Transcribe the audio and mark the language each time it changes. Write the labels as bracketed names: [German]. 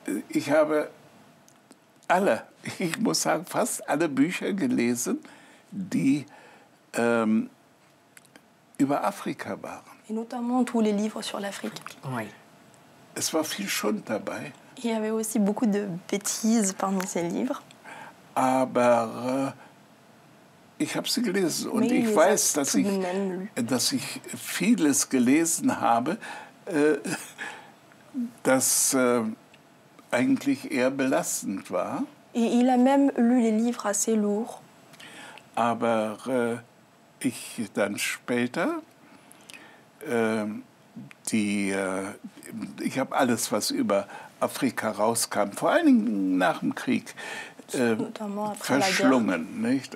[German] Ich habe alle, ich muss sagen, fast alle Bücher gelesen, die über Afrika waren. [French] Et notamment tous les livres sur l'Afrique. Oui. [German] Es war viel Schund dabei. [French] Il y avait aussi beaucoup de bêtises parmi ces livres. [German] Aber ich habe sie gelesen und ich weiß, dass ich vieles gelesen habe, das eigentlich eher belastend war. [French] Et il a même lu les livres assez lourds. [German] Aber ich dann später ich habe alles, was über Afrika rauskam, vor allen Dingen nach dem Krieg, verschlungen, nicht?